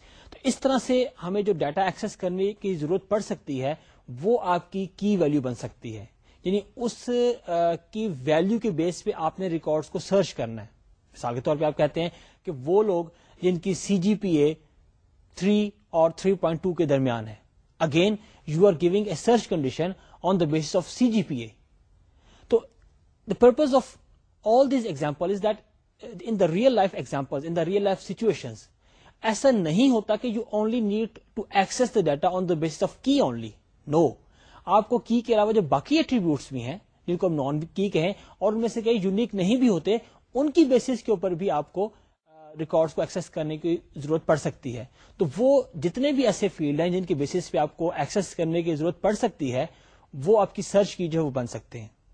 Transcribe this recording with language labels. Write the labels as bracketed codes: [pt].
[ur] تو اس طرح سے ہمیں جو ڈیٹا ایکسس کرنے کی ضرورت پڑ سکتی ہے وہ آپ کی ویلو بن سکتی ہے، یعنی اس کی ویلیو کے بیس پہ آپ نے ریکارڈز کو سرچ کرنا ہے. مثال کے طور پہ آپ کہتے ہیں کہ وہ لوگ جن کی سی جی پی اے 3 اور 3.2 کے درمیان ہے، [en] Again you are giving a search condition on the basis of C G P A. تو the purpose of all these example is that in the real life example, in the real life situation, [ur] ایسا نہیں ہوتا کہ [en] You only need to access the data on the basis of key only. [ur] نو، آپ کو کی کے علاوہ جو باقی ایٹریبیوٹس بھی ہیں جن کو ہم نان کی کہیں اور ان میں سے کئی یونیک نہیں بھی ہوتے، ان کی بیسس کے اوپر بھی آپ کو ریکارڈز کو ایکسس کرنے کی ضرورت پڑ سکتی ہے. تو وہ جتنے بھی ایسے فیلڈ ہیں جن کے بیسس پہ آپ کو ایکسس کرنے کی ضرورت پڑ سکتی ہے وہ آپ کی سرچ کی جو ہے وہ بن سکتے ہیں.